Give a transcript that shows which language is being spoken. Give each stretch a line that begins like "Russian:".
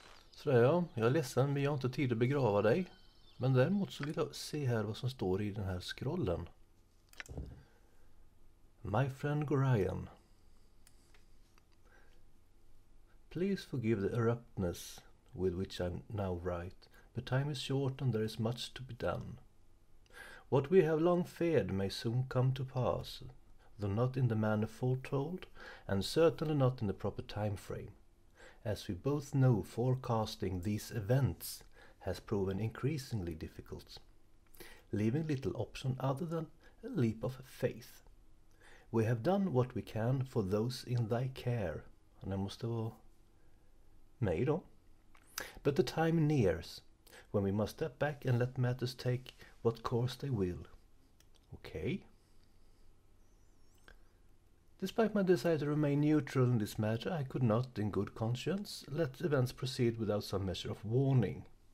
Swedish: Sådär ja, jag är ledsen men jag har inte tid att begrava dig. Men däremot så vill jag se här vad som står i den här scrollen.
English: My friend Gorion, please forgive the abruptness with which I now write, but time is short and there is much to be done. What we have long feared may soon come to pass, though not in the manner foretold, and certainly not in the proper time frame. As we both know, forecasting these events has proven increasingly difficult, leaving little option other than a leap of faith. We have done what we can for those in thy care.
Swedish: And det måste vara mig då.
English: But the time nears when we must step back and let matters take what course they will. Okay. Despite my desire to remain neutral in this matter, I could not, in good conscience, let events proceed without some measure of warning.